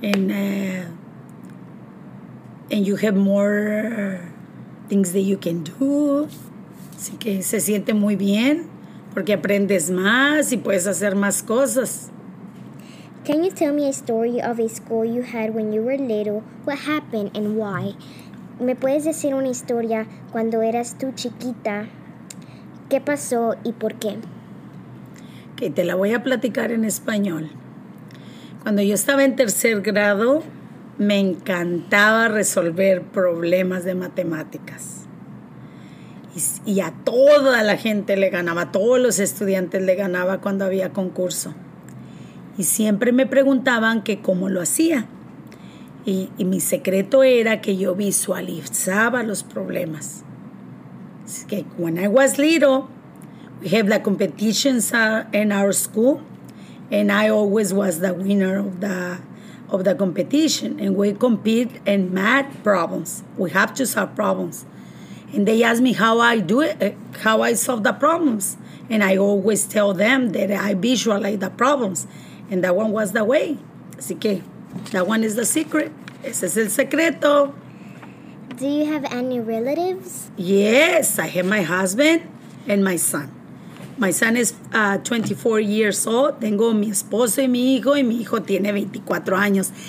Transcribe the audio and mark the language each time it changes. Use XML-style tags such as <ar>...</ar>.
<en>And you have more things that you can do.</en> <es>Así que se siente muy bien porque aprendes más y puedes hacer más cosas.</es> <en>Can you tell me a story of a school you had when you were little? What happened and why?</en> <es>¿Me puedes decir una historia cuando eras tú chiquita? ¿Qué pasó y por qué? Que te la voy a platicar en español. Cuando yo estaba en tercer grado, me encantaba resolver problemas de matemáticas. Y a toda la gente le ganaba, a todos los estudiantes le ganaba cuando había concurso. Y siempre me preguntaban que cómo lo hacía. Y mi secreto era que yo visualizaba los problemas. Así que,</es> <en>when I was little, we have the competitions in our school, and I always was the winner of the competition, and we compete in math problems. We have to solve problems. And they ask me how I do it, how I solve the problems. And I always tell them that I visualize the problems. And that one was the way.</en> <es>Así que,</es> <en>that one is the secret.</en> <es>Ese es el secreto.</es> <en>Do you have any relatives? Yes, I have my husband and my son. My son is 24 years old.</en> <es>Tengo mi esposo y mi hijo tiene 24 años.</es>